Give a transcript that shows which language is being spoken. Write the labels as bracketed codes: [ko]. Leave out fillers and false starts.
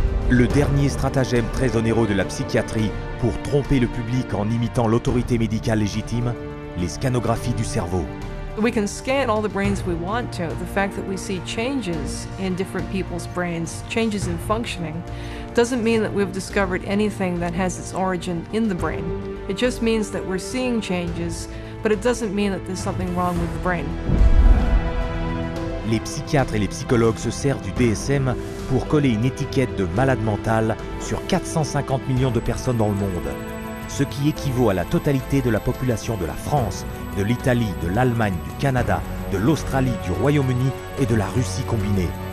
[fr] Le dernier stratagème très onéreux de la psychiatrie pour tromper le public en imitant l'autorité médicale légitime, les scanographies du cerveau. [en] We can scan all the brains we want to. The fact that we see changes in different people's brains, changes in functioning, doesn't mean that we've discovered anything that has its origin in the brain. It just means that we're seeing changes, but it doesn't mean that there's something wrong with the brain. [fr] Les psychiatres et les psychologues se servent du DSM pour coller une étiquette de malade mental sur 450 millions de personnes dans le monde, ce qui équivaut à la totalité de la population de la France, de l'Italie, de l'Allemagne, du Canada, de l'Australie, du Royaume-Uni et de la Russie combinées.